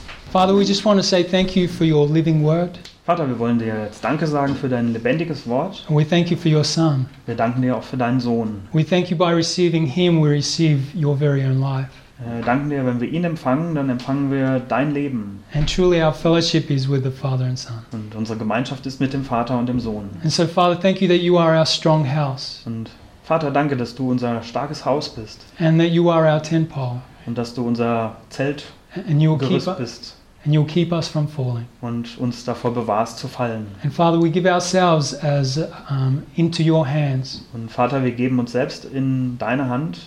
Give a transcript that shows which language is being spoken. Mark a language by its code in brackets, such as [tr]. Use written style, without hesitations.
[en] Father, we just want to say thank you for your living word. [de] Vater, wir wollen dir jetzt Danke sagen für dein lebendiges Wort. [en] And we thank you for your son. [de] Wir danken dir auch für deinen Sohn. [en] We thank you by receiving him, we receive your very own life. [de] Danken dir, wenn wir ihn empfangen, dann empfangen wir dein Leben. [en] And truly our fellowship is with the Father and Son. [de] Und unsere Gemeinschaft ist mit dem Vater und dem Sohn. [en] And so, Father, thank you that you are our strong house. [de] Und Vater, danke, dass du unser starkes Haus bist. [en] And that you are our tent pole. [de] Und dass du unser Zelt [en] and you'll Gerüst keep bist. And you'll keep us from falling. [de] Und uns davor bewahrst zu fallen. [en] And Father, we give ourselves as into your hands. [de] Und Vater, wir geben uns selbst in deine Hand.